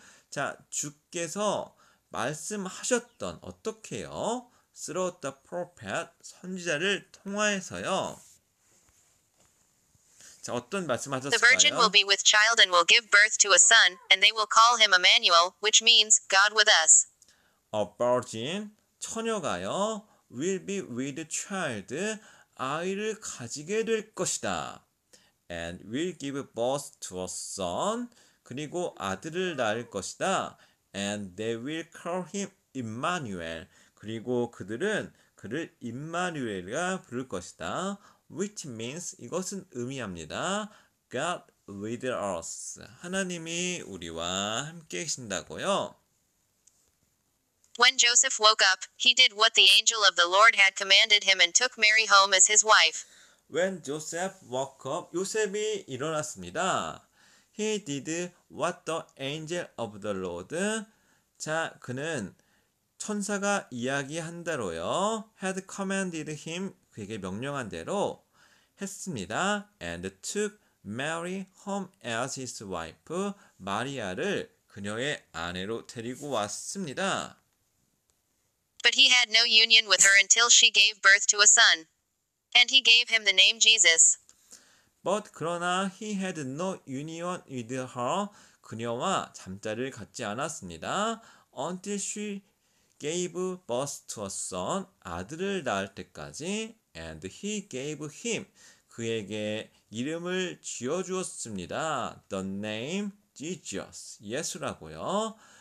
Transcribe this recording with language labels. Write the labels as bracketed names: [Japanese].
[Korean] 자, 주께서 말씀하셨던, 어떻게요? [English] Through the prophet, [Korean] 선지자를 통하여서요. 자, 어떤 말씀하셨을까요? [English] The virgin will be with child and will give birth to a son, and they will call him Emmanuel, which means God with us. A virgin, [Korean] 처녀가요, [English] will be with child, [Korean] 아이를 가지게 될 것이다. [English] And will give birth to a son, [Korean] 그리고 아들을 낳을 것이다. [English] And they will call him Emmanuel, [Korean] 그리고 그들은 그를 임마누엘이라 부를 것이다. [English] Which means, [Korean] 이것은 의미합니다. [English] God with us, [Korean] 하나님이 우리와 함께 계신다고요. [English] When Joseph woke up, he did what the angel of the Lord had commanded him and took Mary home as his wife. When Joseph woke up, [Korean] 요셉이 일어났습니다. [English] He did what the angel of the Lord. [Korean] 자, 그는 천사가 이야기한 대로요. [English] Had commanded him, [Korean] 그에게 명령한 대로 했습니다. [English] And took Mary home as his wife. [Korean] 마리아를 그녀의 아내로 데리고 왔습니다. [English] But he had no union with her until she gave birth to a son. And he gave him the name Jesus. But [Korean] 그러나 [English] he had no union with her. [Korean] 그녀와 잠자리를 갖지 않았습니다. [English] Until she gave birth to a son. [Korean] 아들을 낳을 때까지. [English] And he gave him. [Korean] 그에게 이름을 지어주었습니다. [English] The name Jesus. [Korean] 예수라고요.